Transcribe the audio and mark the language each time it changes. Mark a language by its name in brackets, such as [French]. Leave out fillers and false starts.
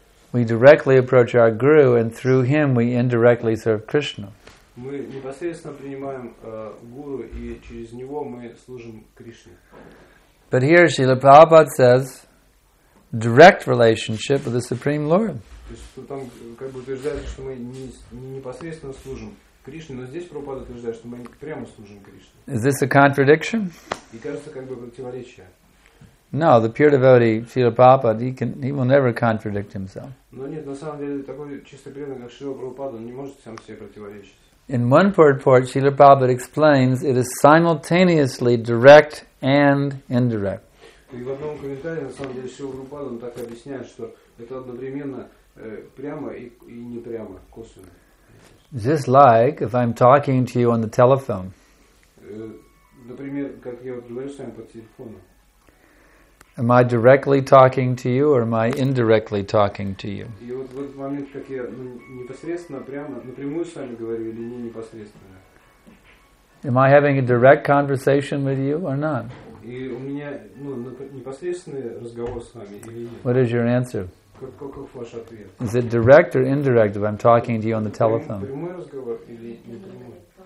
[English] We directly approach our guru, and through him we indirectly serve Krishna. [Russian] Мы непосредственно принимаем гуру, и через него мы служим Кришне. [English] But here Srila Prabhupada says direct relationship with the Supreme Lord. [Russian] То есть там как бы утверждается, что мы не непосредственно служим Кришне, но здесь Прабхупада утверждает, что мы прямо служим Кришне. [English] Is this a contradiction? [Russian] И кажется, как бы противоречие. [English] No, the pure devotee, Srila Prabhupada, he will never contradict himself. [Russian] Но нет, на самом деле, такой чисто преданный, как Шрила Прабхупада, он не может сам себе противоречить. [English] In one purport, Srila Prabhupada explains it is simultaneously direct and indirect. [Russian] И в одном комментарии, на самом деле, Шрила Прабхупада, он так объясняет, что это одновременно прямо и не прямо, косвенно. [English] Just like if I'm talking to you on the telephone. [Russian] Например, как я говорю с вами по телефону. [English] Am I directly talking to you or am I indirectly talking to you? [Russian] И вот в этот момент, как я непосредственно, прямо, напрямую с вами говорю или не непосредственно? [English] Am I having a direct conversation with you or not? [Russian] И у меня непосредственный разговор с вами или нет? [English] What is your answer? [Russian] Каков ваш ответ? [English] Is it direct or indirect if I'm talking to you on the telephone? [Russian] Прямой разговор или непрямой?